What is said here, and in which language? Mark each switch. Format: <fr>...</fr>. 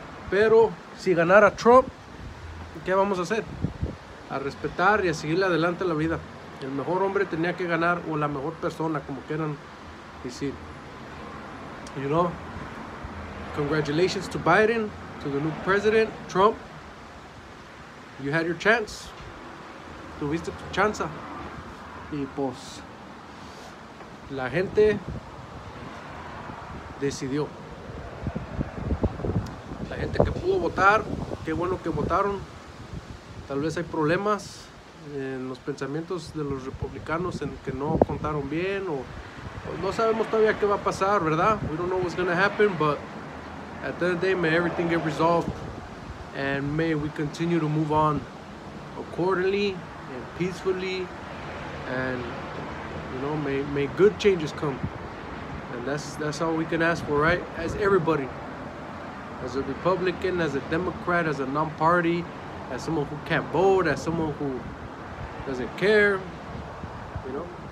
<es>Pero si ganara Trump, ¿qué vamos a hacer? A respetar y a seguirle adelante la vida. El mejor hombre tenía que ganar, o la mejor persona, como quieran decir.</es> <en>You know, congratulations to Biden, to the new president, Trump. You had your chance.</en> <es>Tuviste tu chance. Y pues, la gente decidió. La gente que pudo votar, qué bueno que votaron. Tal vez hay problemas en los pensamientos de los republicanos en que no contaron bien, o pues no sabemos todavía qué va a pasar, ¿verdad?</es> <en>We don't know what's going to happen, but at the end of the day, may everything get resolved and may we continue to move on accordingly and peacefully, and you know, may good changes come. And that's all we can ask for, right? As everybody, as a Republican, as a Democrat, as a non-party, as someone who can't vote, as someone who doesn't care, you know.</en>